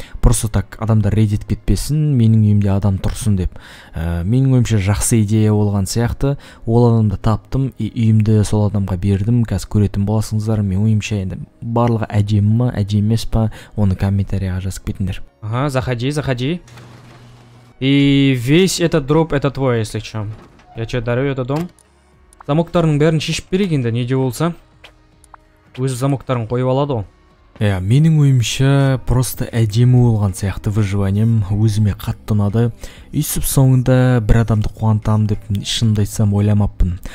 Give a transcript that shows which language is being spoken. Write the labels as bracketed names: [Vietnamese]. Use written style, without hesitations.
[Kazakh] Просто так адамдар рейдет кетпесін, менің үйімде адам тұрсын деп. Менің ойымша жақсы идея болған сияқты. Ол адамды таптым и үйімді сол адамға бердім. Қазір көретін боласыңыздар. Мен ойымша енді барлығы әдемі ма, әдемі емес па, оны комментарияға жазып кетіңдер. [Russian] Ага, заходи, заходи. И весь этот дроп это твой, если что. Я тебе дарю этот дом. [Kazakh] Замоктарының бәрін шешіп берейік енді, не де болса. Өзі замоктарын қойып алады ғой. Иә, менің ойымша просто әдемі болған сияқты выживанием, өзіме қатты ұнады. Үйсіп соңында бір адамды қуантам деп шынымды айтсам ойламаппын.